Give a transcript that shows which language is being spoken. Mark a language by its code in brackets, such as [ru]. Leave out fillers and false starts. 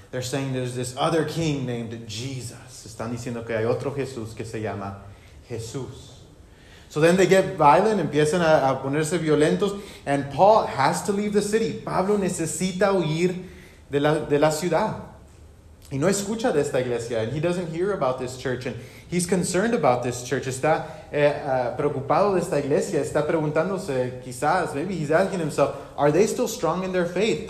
[en] They're saying there's this other king named Jesus. [es] Están diciendo que hay otro Jesús que se llama Jesús. [en] So then they get violent, [es] empiezan a ponerse violentos, [en] and Paul has to leave the city. [es] Pablo necesita huir de la ciudad. Y no escucha de esta iglesia, [en] and he doesn't hear about this church, and he's concerned about this church. [es] Está preocupado de esta iglesia, está preguntándose, quizás, [en] maybe he's asking himself, are they still strong in their faith?